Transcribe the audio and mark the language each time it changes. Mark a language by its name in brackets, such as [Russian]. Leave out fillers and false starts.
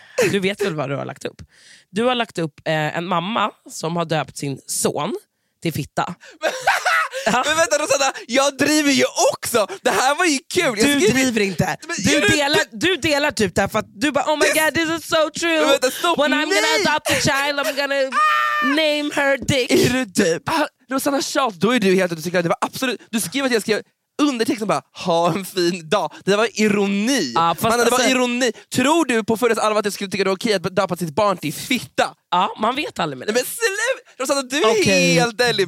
[Swedish] Du vet väl vad du har lagt upp. Du har lagt upp en mamma som har döpt sin son till fitta. Men vänta Rosanna, jag driver ju också. Det här var ju kul. Du driver inte. Du delar typ det här för att du bara, [English] oh my god, this is so true. [Swedish] Men vänta, stopp. [English] When I'm gonna adopt a child, I'm gonna name her Dick. [Swedish] Är du typ? Rosanna Charles, då är du helt, du tycker att det var absolut. Du skrev att jag skrev undertexten bara, ha en fin dag. Det var ironi. Det var ironi. Tror du på fullast allvar att jag skulle tycka det var okej att döpa sitt barn till fitta? Ja, man vet aldrig med det. Men sluta! Rosanna, du är okay. Helt ärlig,